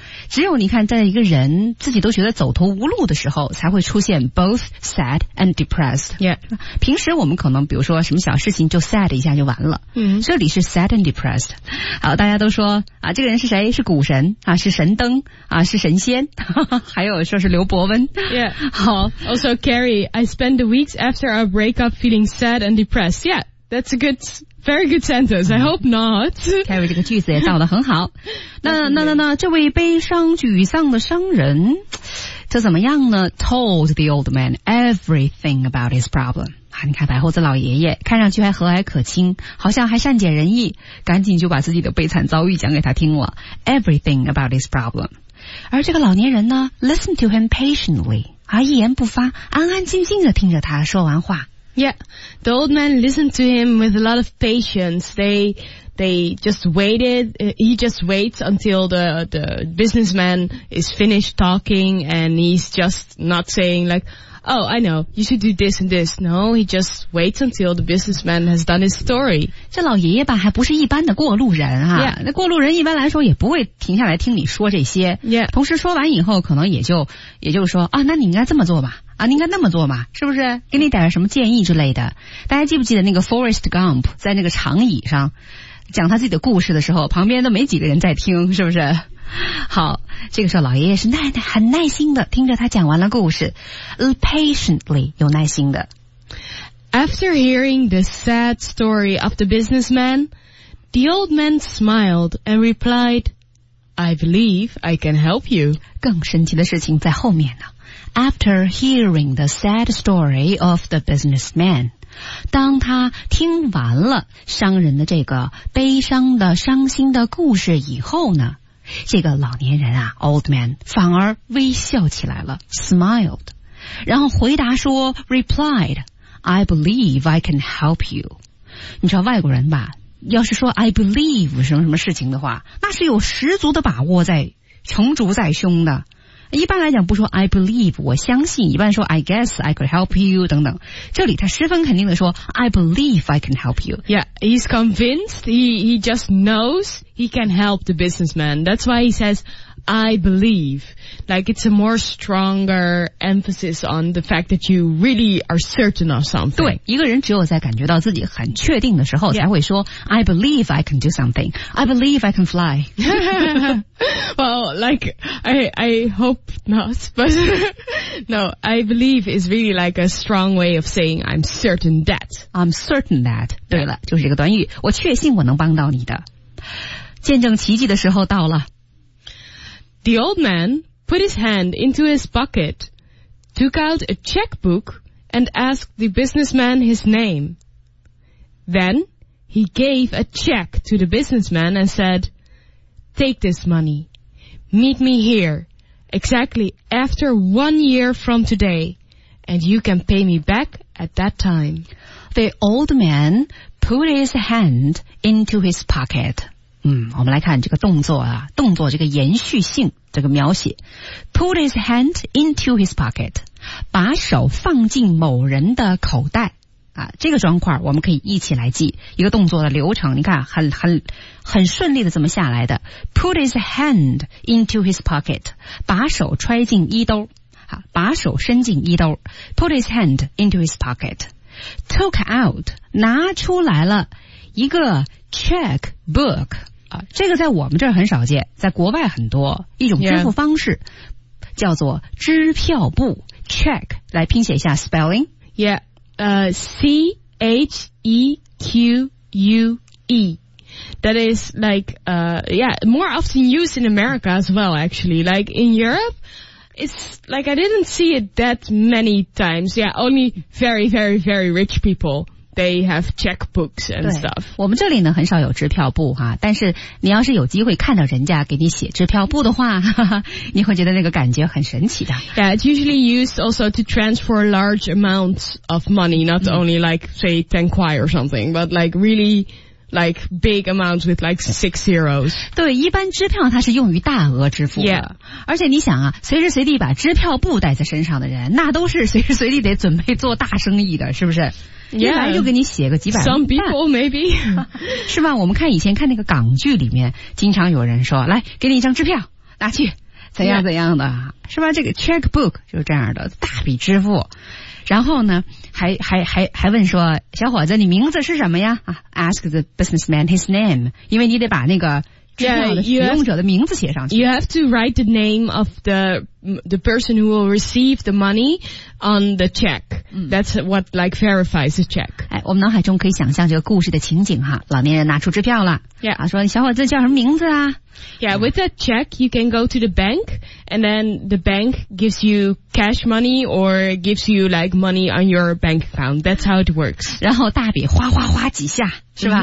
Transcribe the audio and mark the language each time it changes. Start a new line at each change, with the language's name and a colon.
Chinese: 只有你看，在一个人自己都觉得走投无路的时候，才会出现
English: both sad and depressed. Yeah.
Chinese: 平时我们可能比如说什么小事情就 sad 一下就完了。这里是
English: sad and depressed.
Chinese: 好，大家都说啊，这个人是谁？是股神啊，是神灯啊，是神仙，还有说是刘伯温。
English: Yeah.
Chinese: 好
English: ，Also Carrie, I spend the weeks after our breakup feeling sad and depressed. Yeah, that's a good. Very good sentence. I hope not.
Chinese: Carrie 这个句子也造得很好。那这位悲伤沮丧的商人，这怎么样呢？
English: Told the old man everything about his problem.
Chinese: 啊，你看白胡子老爷爷，看上去还和蔼可亲，好像还善解人意，赶紧就把自己的悲惨遭遇讲给他听了。
English: Everything about his problem.
Chinese: 而这个老年人呢，
English: listened to him patiently.
Chinese: 啊，一言不发，安安静静地听着他说完话。
English: Yeah, the old man listened to him with a lot of patience. They just waited. He just waits until the businessman is finished talking and he's just not saying like, oh, I know, you should do this and this. No, he just waits until the businessman has done his story.
Chinese: 这老爷爷吧还不是一般的过路人啊。
English: Yeah.
Chinese: 那过路人一般来说也不会停下来听你说这些。
English: Yeah.
Chinese: 同时说完以后可能也就说啊，那你应该这么做吧。啊，你应该那么做嘛，是不是？给你点什么建议之类的。大家记不记得那个 Forrest Gump 在那个长椅上讲他自己的故事的时候，旁边都没几个人在听，是不是？好，这个时候老爷爷是很耐心的听着他讲完了故事， patiently 有耐心的。
English: After hearing the sad story of the businessman, the old man smiled and replied, "I believe I can help you."
Chinese: 更神奇的事情在后面呢。
English: After hearing the sad story of the businessman,
Chinese: 当他听完了商人的这个悲伤的伤心的故事以后呢，这个老年人啊
English: old man
Chinese: 反而微笑起来了 smiled, 然后回答说 replied,
English: I believe I can help you.
Chinese: 你知道外国人吧，要是说
English: I believe
Chinese: 什么什么事情的话，那是有十足的把握在成竹在胸的。一般来讲不说
English: I believe
Chinese: 我相信，一般说
English: I guess I could help you
Chinese: 等等，这里他十分肯定的说
English: I believe I can help you. Yeah, he's convinced, he just knows he can help the businessman. That's why he says I believe. Like it's a more stronger emphasis on the fact that you really are certain of something.
Chinese: 对，一个人只有在感觉到自己很确定的时候才会说 yeah.
English: I believe I can do something. I believe I can fly. Well, like, I hope not, but no, I believe is really like a strong way of saying I'm certain that. I'm certain that.
Chinese: 对了， yeah. 就是这个短语，我确信我能帮到你的。见证奇迹的时候到了。
English: The old man put his hand into his pocket, took out a checkbook, and asked the businessman his name. Then he gave a check to the businessman and said, "Take this money. Meet me here exactly after 1 year from today, and you can pay me back at that time." The old man put his hand into his pocket.
Chinese: 我们来看这个动作啊，动作这个延续性这个描写。
English: Put his hand into his pocket，
Chinese: 把手放进某人的口袋啊，这个砖块我们可以一起来记一个动作的流程。你看，很顺利的这么下来的。
English: Put his hand into his pocket，
Chinese: 把手揣进衣兜，啊，把手伸进衣兜。
English: Put his hand into his pocket， took out
Chinese: 拿出来了一个。
English: Check book
Chinese: 这个在我们这儿很少见，在国外很多，一种支付方式、叫做支票簿 check， 来拼写一下 spelling。
English: C-H-E-Q-U-E. That is like, more often used in America as well, actually. Like in Europe, it's like I didn't see it that many times. Yeah, only very, very, very rich people. They have checkbooks and stuff.
Chinese: 我们这里呢很少有支票簿哈，但是你要是有机会看到人家给你写支票簿的话，你会觉得那个感觉很神奇的。
English: Yeah, it's usually used also to transfer large amounts of money, not only like say 10 quid or something, but like really like big amounts with like six zeros.
Chinese: 对，一般支票它是用于大额支付的。
English: Yeah.
Chinese: 而且你想啊，随时随地把支票簿带在身上的人，那都是随时随地得准备做大生意的，是不是？
English: Yeah,
Chinese: 一来就给你写个几百万。
English: Some people maybe.
Chinese: 是吧，我们看以前看那个港剧里面经常有人说来给你一张支票拿去怎样怎样的、是吧，这个 checkbook 就是这样的大笔支付。然后呢还问说小伙子你名字是什么呀、
English: ask the businessman his name，
Chinese: 因为你得把那个支票的使用者的名字写上去。
English: You have to write the name of the person who will receive the money on the check. That's what like verifies the check.
Chinese: 哎，我们脑海中可以想象这个故事的情景哈，老年人拿出支票了。
English: Yeah.
Chinese: 说小伙子叫什么名字啊？
English: Yeah, with that check, you can go to the bank, and then the bank gives you cash money or gives you like money on your bank account. That's how it works.
Chinese: 然后大笔哗哗哗几下，是吧？